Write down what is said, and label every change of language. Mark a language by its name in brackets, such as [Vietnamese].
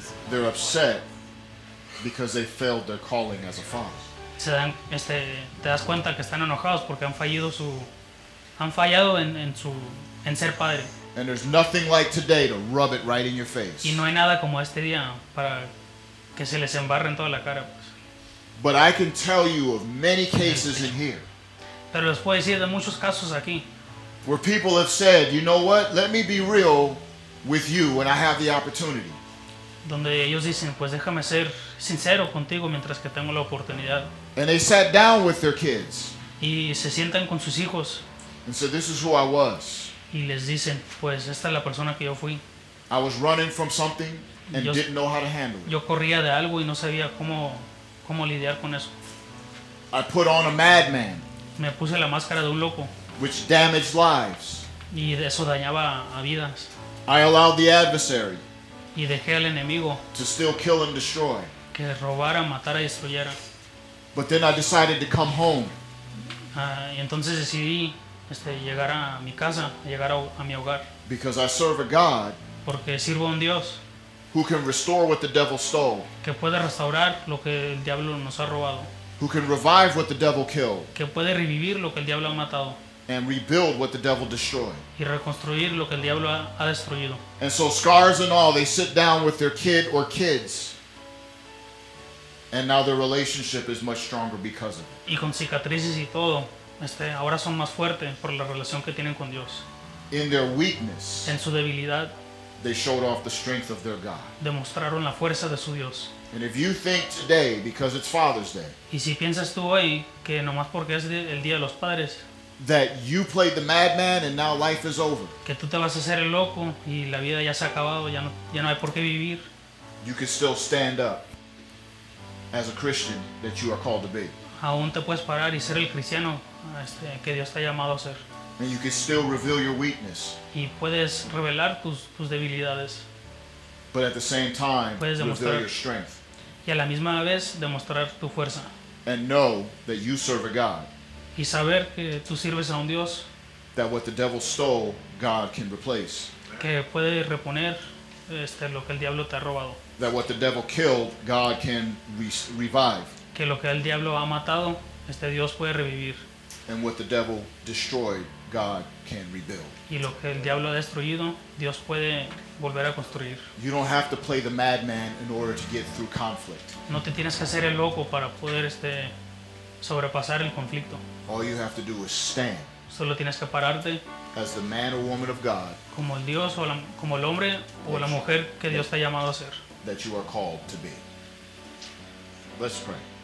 [English] They're upset because they failed their calling as a father. [Spanish] Te das cuenta que están enojados porque han fallado en ser padre. [English] And there's nothing like today to rub it right in your face. [Spanish] Y no hay nada como este día para que se les embarre en toda la cara. [English] But I can tell you of many cases in here. [Spanish] Pero les puedo decir de muchos casos aquí. [English] Where people have said, you know what? Let me be real with you when I have the opportunity. [Spanish] Donde ellos dicen, pues déjame ser sincero contigo mientras que tengo la oportunidad. [English] And they sat down with their kids. [Spanish] Y se sientan con sus hijos. [English] And said, this is who I was. [Spanish] Y les dicen, pues esta es la persona que yo fui. [English] I was running from something and didn't know how to handle it. [Spanish] Yo corría de algo y no sabía cómo lidiar con eso. [English] I put on a madman. [Spanish] Me puse la máscara de un loco. [English] Which damaged lives. [Spanish] Y eso dañaba a vidas. [English] I allowed the adversary. [Spanish] Y dejé al enemigo. [English] To still kill and destroy. [Spanish] Que robara, matara y destruyera. [English] But then I decided to come home. [Spanish] Y entonces decidí llegar a mi casa, llegar a mi hogar. [English] Because I serve a God. [Spanish] Porque sirvo a un Dios. [English] Who can restore what the devil stole. [Spanish] Que puede restaurar lo que el diablo nos ha robado. [English] Who can revive what the devil killed. [Spanish] Que puede revivir lo que el diablo ha matado. [English] And rebuild what the devil destroyed. [Spanish] Y reconstruir lo que el diablo ha destruido. [English] And so scars and all, they sit down with their kid or kids. And now their relationship is much stronger because of it. [Spanish] Y con cicatrices y todo, Ahora son más fuertes por la relación que tienen con Dios. [English] In their weakness, [Spanish] en su debilidad, [English] they showed off the strength of their God. [Spanish] Demostraron la fuerza de su Dios. [English] And if you think today, because it's Father's Day, [Spanish] y si piensas tú hoy que nomás porque es el día de los padres, [English] that you played the madman and now life is over, [Spanish] que tú te vas a hacer el loco y la vida ya se ha acabado, ya no hay por qué vivir, [English] you can still stand up as a Christian that you are called to be. [Spanish] Aún te puedes parar y ser el cristiano que Dios te ha llamado a ser. [English] And you can still reveal your weakness. [Spanish] Y puedes revelar tus debilidades. [English] But at the same time, [Spanish] puedes demostrar, [English] reveal your strength. [Spanish] Y a la misma vez demostrar tu fuerza. [English] And know that you serve a God. [Spanish] Y saber que tú sirves a un Dios. [English] That what the devil stole, God can replace. [Spanish] Que puede reponer lo que el diablo te ha robado. [English] That what the devil killed, God can revive. [Spanish] Que lo que el diablo ha matado, Dios puede revivir. [English] And what the devil destroyed, God can rebuild. [Spanish] Y lo que el diablo ha destruido, Dios puede volver a construir. [English] You don't have to play the madman in order to get through conflict. [Spanish] No te tienes que hacer el loco para poder sobrepasar el conflicto. [English] All you have to do is stand. [Spanish] Solo tienes que pararte. [English] As the man or woman of God. [Spanish] Como el Dios o la, como el hombre o la mujer que Dios te ha llamado a ser. [English] That you are called to be. Let's pray.